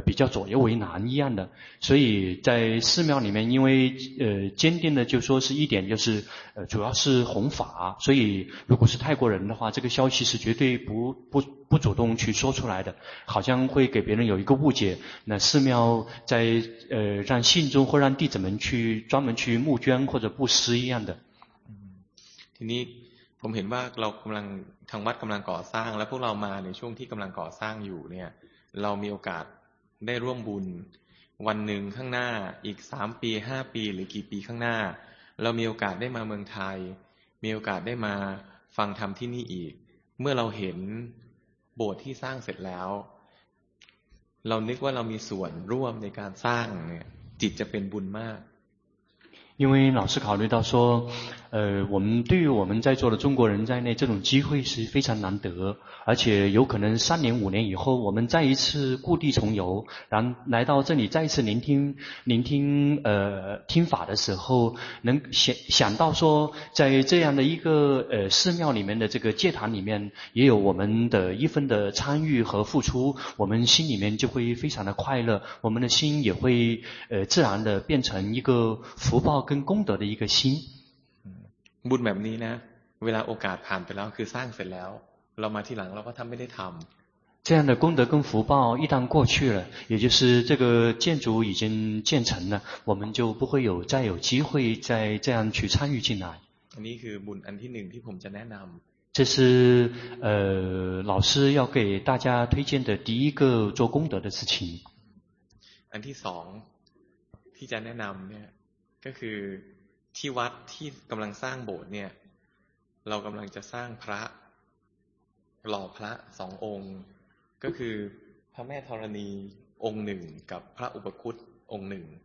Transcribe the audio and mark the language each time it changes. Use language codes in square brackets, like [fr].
[zh] 左右为难一样的所以在寺庙里面因为坚定的就说是一点就是主要是弘法所以如果是泰国人的话这个消息是绝对不主动去说出来的好像会给别人有一个误解那寺庙在让信众或让弟子们去专门去募捐或者布施一样的 [th] ทีนี้ผมเห็นว่าเรากำลังทางวัดกำลังก่อสร้างและพวกเรามาในช่วงที่กำลังก่อสร้างอยู่เนี่ยเรามีโอกาสได้ร่วมบุญวันหนึ่งข้างหน้าอีก3ปี5ปีหรือกี่ปีข้างหน้าเรามีโอกาสได้มาเมืองไทยมีโอกาสได้มาฟังธรรมที่นี่อีกเมื่อเราเห็นโบสถ์ที่สร้างเสร็จแล้วเรานึกว่าเรามีส่วนร่วมในการสร้างเนี่ยจิตจะเป็นบุญมาก [zh] 因为老师考虑到说我们对于我们在座的中国人在内这种机会是非常难得而且有可能三年五年以后我们再一次故地重游然后来到这里再一次聆听听法的时候能想到说在这样的一个寺庙里面的这个戒坛里面也有我们的一份的参与和付出我们心里面就会非常的快乐我们的心也会自然的变成一个福报跟功德的一个心 [th] บุญแบบนี้นะเวลาโอกาสผ่านไปแล้วคือสร้างเสร็จแล้วเรามาทีหลังเราก็ทำไม่ได้ทำ [zh] 这样的功德跟福报一旦过去了也就是这个建筑已经建成了我们就不会有再有机会再这样去参与进来 [th] อันนี้คือบุญอันที่หนึ่งที่ผมจะแนะนำ [zh] 这是老师要给大家推荐的第一个做功德的事情 [th] อันที่สองที่จะแนะนำเนี่ยก็คือที่วัดที่กำลังสร้างโบสถ์เนี่ยเรากำลังจะสร้างพระหล่อพระสององค์ก็คือพระแม่ธรณีองค์หนึ่งกับพระอุปคุตองค์หนึ่ง